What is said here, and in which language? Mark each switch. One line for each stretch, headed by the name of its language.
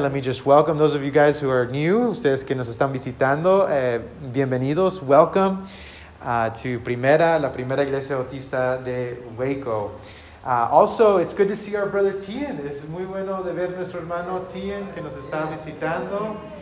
English: Let me just welcome those of you guys who are new.
Spanish: Ustedes que nos están visitando. Bienvenidos.
English: Welcome to Primera, la primera iglesia bautista de Waco. Also, it's good to see our brother Tien.
Spanish: Es muy bueno de ver nuestro hermano Tien que nos está visitando.